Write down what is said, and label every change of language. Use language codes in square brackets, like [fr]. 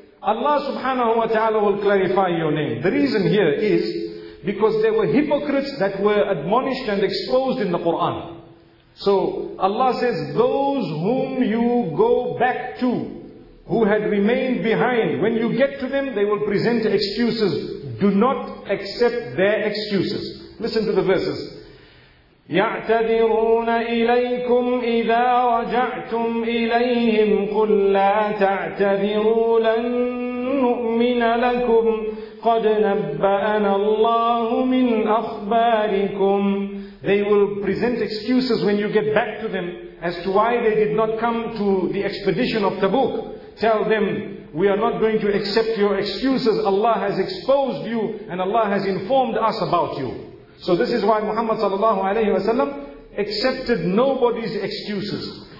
[en] Allah subhanahu wa ta'ala will clarify your name. The reason here is because there were hypocrites that were admonished and exposed in the Quran. So Allah says, those whom you go back to, who had remained behind, when you get to them, they will present excuses. Do not accept their excuses. Listen to the verses. [ar] يعتذرون إليكم إذا رجعتم إليهم قل لا تعتذروا لن نؤمن لكم قد نبأنا الله من أخباركم. [en] They will present excuses when you get back to them as to why they did not come to the expedition of Tabuk. Tell them, we are not going to accept your excuses. Allah has exposed you and Allah has informed us about you. So this is why Muhammad sallallahu alayhi wa sallam accepted nobody's excuses.